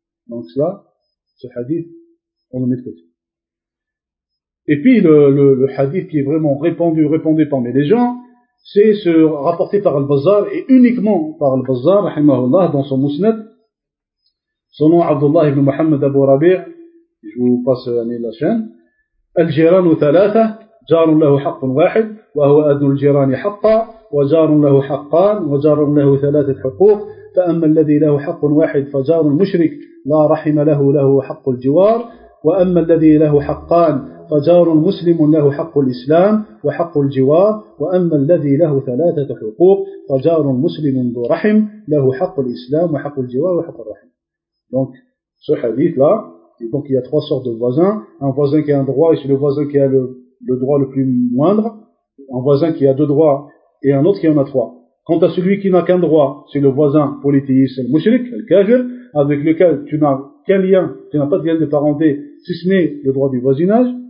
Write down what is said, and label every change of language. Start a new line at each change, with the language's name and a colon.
French: Donc cela, ce hadith, on le met de côté. Et puis le hadith qui est vraiment répandu parmi les gens, c'est ce rapporté par al-Bazzar et uniquement par al-Bazzar, rahimahullah, dans son musnad. Son nom, Abdullah ibn Muhammad Abu Rabi', je vous passe la chaîne.
Arabic: Al-Jiran al-Thalatha. جار له حق واحد وهو أذن الجيران حقا وجار له حقان وجار له ثلاثة حقوق فأما الذي له حق واحد فجار المشرك لا رحم له له حق الجوار وأما الذي له حقان فجار مسلم له حق الإسلام وحق الجوار وأما الذي له ثلاثة حقوق فجار مسلم ذو رحم له حق الإسلام وحق الجوار وحق الرحم.
French: Donc ce hadith là, donc il y a trois sortes de voisins, un voisin qui a un droit et le voisin qui a le droit le plus moindre, un voisin qui a deux droits et un autre qui en a trois. Quant à celui qui n'a qu'un droit, c'est le voisin polythéiste, le mushrik, le kafir, avec lequel tu n'as qu'un lien, tu n'as pas de lien de parenté, si ce n'est le droit du voisinage.